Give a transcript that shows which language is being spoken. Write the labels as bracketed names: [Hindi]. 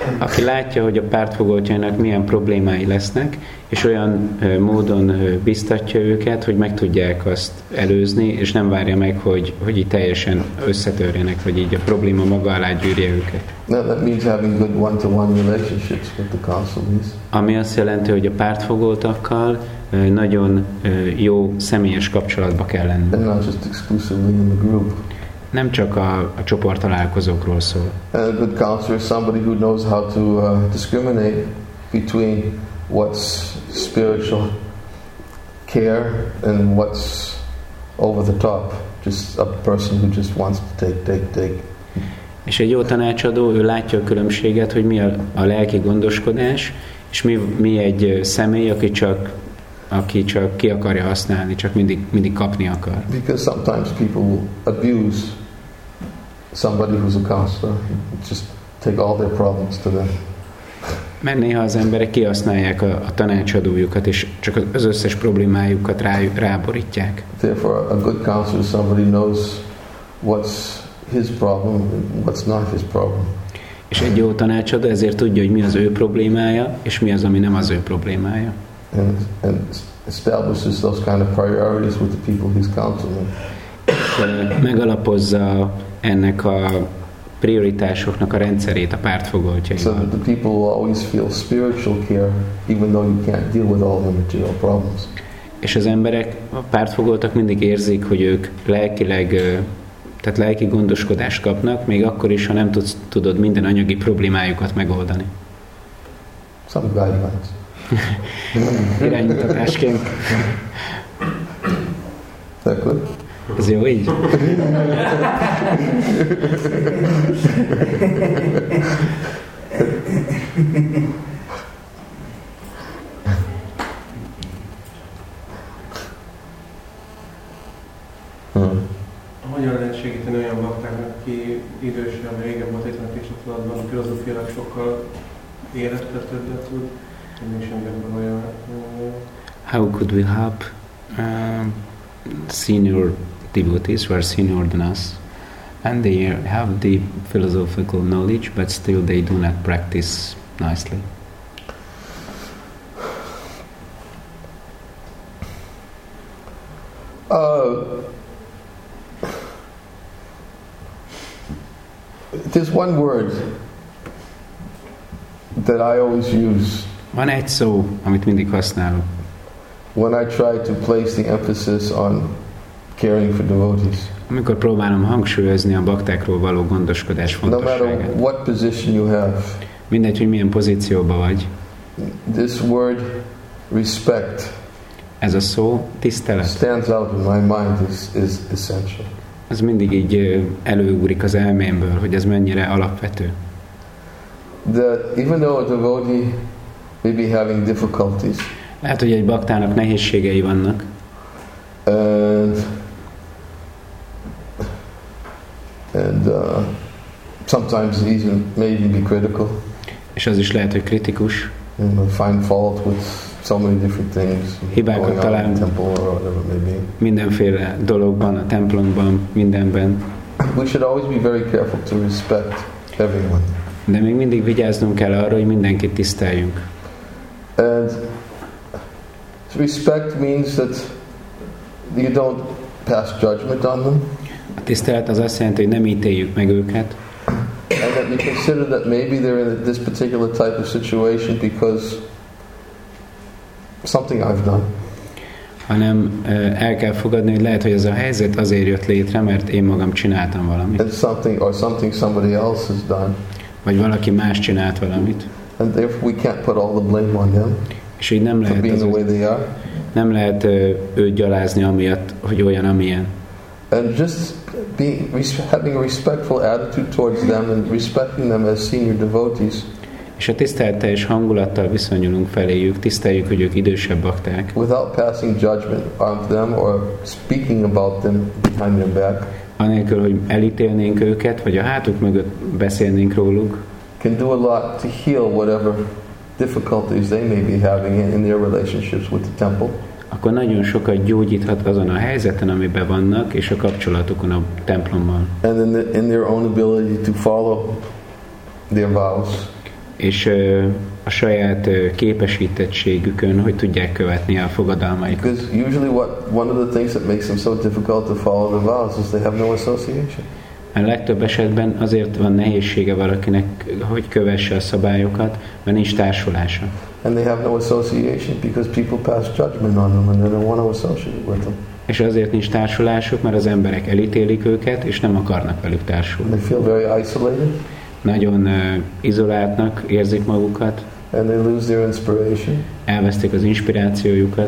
[Hungarian] Aki látja, hogy a pártfogoltjainak milyen problémái lesznek, és olyan módon biztatja őket, hogy meg tudják azt előzni, és nem várja meg, hogy így teljesen összetörjenek, vagy így a probléma maga alá gyűrje őket. [English] That means having good one-to-one relationships with the counselees. [Hungarian] Ami azt jelenti, hogy a pártfogoltakkal nagyon jó személyes kapcsolatba kell lenni. [English] And not just exclusively in the group. [Hungarian] Nem csak a csoport találkozókról szól. [English] A good counselor is somebody who knows how to discriminate between what's spiritual care and what's over the top, just a person who just wants to take. [Hungarian] És egy jó tanácsadó, ő látja a különbséget, hogy mi a lelki gondoskodás, és mi egy személy, aki csak ki akarja használni, csak mindig kapni akar. [English] Because sometimes people abuse somebody who's a counselor, just take all their problems to them. [Hungarian] Mert néha az emberek kihasználják a tanácsadójukat, és csak az összes problémájukat ráborítják. [English] Therefore, a good counselor is somebody knows what's his problem, what's not his problem. [Hungarian] És egy jó tanácsadó ezért tudja, hogy mi az ő problémája, és mi az, ami nem az ő problémája. [English] And establishes those kind of priorities with the people he's counseling. [Hungarian] Megalapozza ennek a prioritásoknak a rendszerét a pártfogoltjaival. [English] So that the people will always feel spiritual care, even though you can't deal with all the material problems. [Hungarian] És az emberek, a pártfogoltak mindig érzik, hogy ők lelkileg, tehát lelki gondoskodást kapnak, még akkor is, ha nem tudod minden anyagi problémájukat megoldani. [English] Some guidelines. [Hungarian] Irányítatásként. Tehát ez jó így? Hogyan lehet segíteni olyan baktáknak, aki idősebb, régebb volt egy kicsitlanatban, a filozófiának sokkal életletődre tud, hogy nincs emberben olyan... [English] How could we help senior devotees who are senior than us, and they have the philosophical knowledge, but still they do not practice nicely. There's one word that I always use. [Hungarian] Van egy szó, amit mindig használom. [English] When I try to place the emphasis on caring for devotees. [Hungarian] Amikor próbálom hangsúlyozni a baktákról való gondoskodás fontosságát. [English] No matter what position you have. [Hungarian] Mindegy, hogy milyen pozícióban vagy. [English] This word, respect. [Hungarian] Ez a szó, tisztelet. [English] Stands out in my mind is essential. [Hungarian] Ez mindig így előugrik az elmémből, hogy ez mennyire alapvető. [English] That even though a devotee may be having difficulties. [Hungarian] Lehet, hogy egy baktának nehézségei vannak. [English] And sometimes may even be critical. [Hungarian] És az is lehet, hogy kritikus. [English] And find fault with so many different things. [Hungarian] Hibákat talál mindenféle dologban, a templomban, mindenben. [English] We should always be very careful to respect. everyone. [Hungarian] De még mindig vigyáznunk kell arra, hogy mindenkit tiszteljünk. [English] And respect means that you don't pass judgment on them. [Hungarian] A tisztelet az azt jelenti, hogy nem ítéljük meg őket. [English] And that we consider that maybe they're in this particular type of situation because something I've done. [Hungarian] Hanem el kell fogadni, hogy lehet, hogy ez a helyzet azért jött létre, mert én magam csináltam valamit. [English] And something or something somebody else has done. [Hungarian] Vagy valaki más csinált valamit. [English] And if we can't put all the blame on them. [Hungarian] És így nem lehet, [English] being the way they are. [Hungarian] Nem lehet őt gyalázni amiatt, hogy olyan, amilyen. [English] And just being, having a respectful attitude towards them and respecting them as senior devotees. [Hungarian] És a tiszteletteljes hangulattal viszonyulunk feléjük, tiszteljük, hogy ők idősebb bakták. [English] Without passing judgment on them or speaking about them behind their back. [Hungarian] Anélkül, hogy elítélnénk őket, vagy a hátuk mögött beszélnénk róluk. [English] Can do a lot to heal whatever difficulties they may be having in their relationships with the temple. [Hungarian] Akkor nagyon sokat gyógyíthat azon a helyzeten, amiben vannak, és a kapcsolatukon a templommal. [English] And in their own ability to follow their vows. [Hungarian] És a saját képesítettségükön, hogy tudják követni a fogadalmaikat. [English] Because usually what one of the things that makes them so difficult to follow the vows is they have no association. [Hungarian] A legtöbb esetben azért van nehézsége valakinek, hogy kövesse a szabályokat, mert nincs társulása. [English] And they have no association because people pass judgment on them and they don't want to associate with them. [Hungarian] És azért nincs társulásuk, mert az emberek elítélik őket és nem akarnak velük társulni. [English] They feel very isolated. [Hungarian] Nagyon izoláltnak érzik magukat. [English] And they lose their inspiration. [Hungarian] Elvesztik az inspirációjukat.